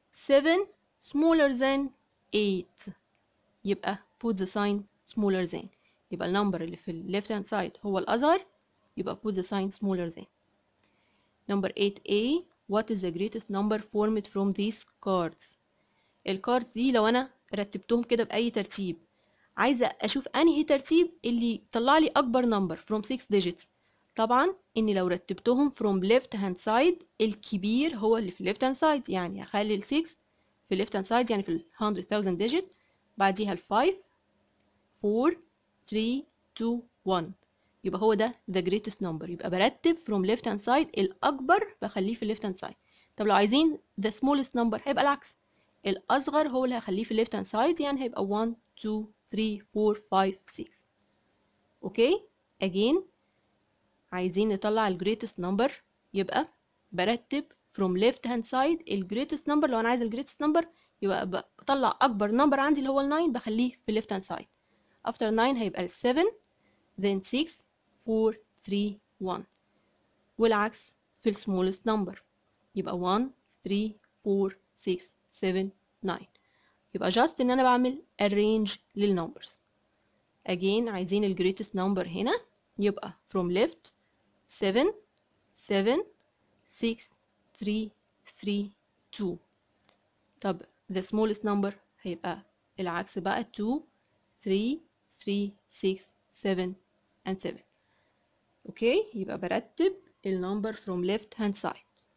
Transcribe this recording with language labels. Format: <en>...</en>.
<en>4 equals 4, 3 equals 3, 7 equals 7, 7 smaller than 8,</en> <ar>يبقى put the sign smaller than.</ar> <en>يبقى ال number اللي في left hand side هو الأصغر, يبقى put the sign smaller than. Number 8A, what is the greatest number formed from these cards?</en> <ar>ال cards دي لو أنا رتبتهم كده بأي ترتيب, عايزة أشوف أنهي ترتيب اللي طلع لي أكبر number</ar> <en>from 6 digits.</en> <ar>طبعا إني لو رتبتهم from left hand side الكبير هو اللي في left hand side, يعني أخلي ال 6 في left hand side يعني في 100,000 digit, بعديها ال 5, 4, 3, 2, 1, يبقى هو ده the greatest number.</ar> <en>يبقى برتب from left hand side الأكبر بخليه في left hand side.</en> <ar>طب لو عايزين the smallest number هيبقى العكس, الأصغر هو اللي هخليه في left hand side, يعني هيبقى 1, 2, 3, 4, 5, 6. أوكي, again عايزين نطلع ال greatest number, يبقى برتب from left hand side ال greatest number. لو أنا عايز ال greatest number يبقى بطلع أكبر number عندي اللي هو ال 9 بخليه في left hand side.</ar> <en>After 9 هيبقى 7, then 6, 4, 3, 1.</en> <ar>والعكس في الـ smallest number. يبقى 1, 3, 4, 6, 7, 9. يبقى just إن أنا بعمل arrange للـ numbers.</ar> <en>Again عايزين الـ greatest number هنا, يبقى from left 7, 7, 6, 3, 3, 2.</en> <ar>طب the smallest number هيبقى العكس بقى 2, 3, 3, 6, 7 and 7.</ar> <en>Okay, يبقى برتب ال number from left hand side.</en>